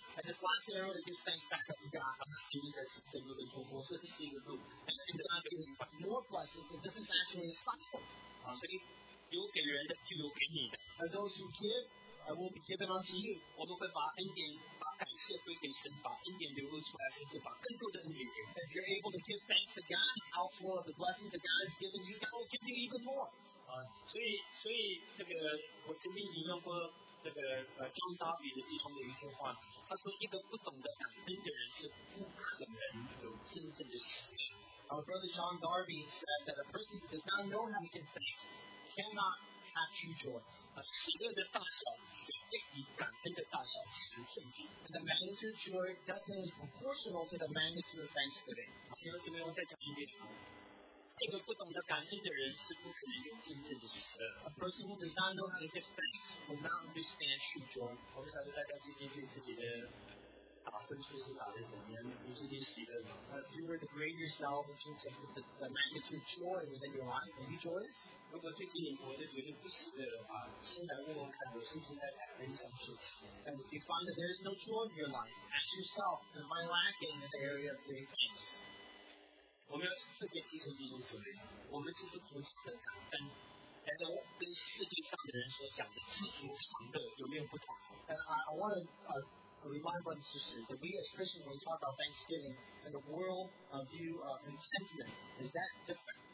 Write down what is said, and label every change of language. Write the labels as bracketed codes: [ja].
[en] And this last arrow that gives thanks back up to God. [zh] 他们心里在吃更多的祝福，所以这是一个路。 [en] And God gives more blessings. And this is actually a cycle. [zh] 好，所以有给人的就有给你的。 [en] And those who give, I will be given unto you. [zh] 我们会把恩典、把感谢归给神，把恩典流露出来，神就把更多的恩典给你。 [en] If you're able to give thanks to God, outflow of the blessings that God has given you, God will give you even more. [zh] 所以这个我曾经引用过这个John Darby的其中的一句话，他说一个不懂得感恩的人是不可能有真正的喜乐。 [en] Our brother John Darby said that a person who does not know how to give thanks cannot have true joy. [zh] 喜乐的大小取决于感恩的大小是证据。 [en] And the magnitude of joy definitely is proportional to the magnitude of thanksgiving. [zh] 弟兄姊妹，我再讲一遍。一个不懂得感恩的人是不可能有真正的喜乐。 [en] A person who does not know how to give thanks will not understand true joy. [zh] 我不晓得大家今天对自己的打分数是打得怎么样，有自己喜乐吗？ [en] If you were to grade yourself in terms of the magnitude of joy within your life, are you joyous? [zh] 如果最近你活得觉得不喜乐的话，现在问问看，你是不是在感恩上受挫？ [en] And if you find that there is no joy in your life, ask yourself, am I lacking in the area of giving thanks? [zh] 我们要特别提醒弟兄姊妹，我们基督徒的感恩， [en] and [zh] 跟世界上的人所讲的知足常乐有没有不同？ [en] And I want to remind brothers and sisters that we as Christians when we talk about Thanksgiving and the world view and sentiment, is that different?